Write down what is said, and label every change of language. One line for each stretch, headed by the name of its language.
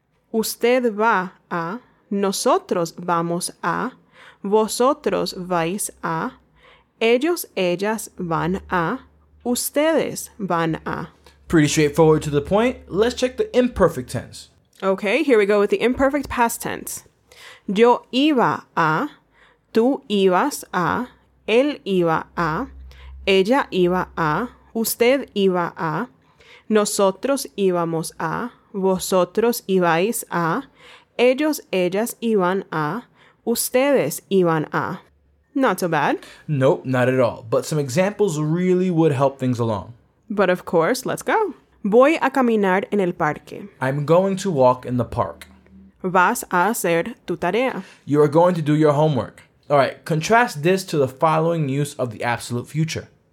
Spanish: Usted va a, nosotros vamos a, vosotros vais a, ellos, ellas van a, ustedes van a.
English: Pretty straightforward to the point. Let's check the imperfect tense. Okay, here we go with the imperfect past tense.
Spanish: Yo iba a, tú ibas a, él iba a, ella iba a, usted iba a, nosotros íbamos a, vosotros ibais a, ellos, ellas iban a, ustedes iban a.
English: Not so bad. Nope, not at all. But some examples really would help things along. But of course, let's go.
Spanish: Voy a caminar en el parque.
English: I'm going to walk in the park.
Spanish: Vas a hacer tu tarea.
English: You are going to do your homework. All right, contrast this to the following use of the absolute future.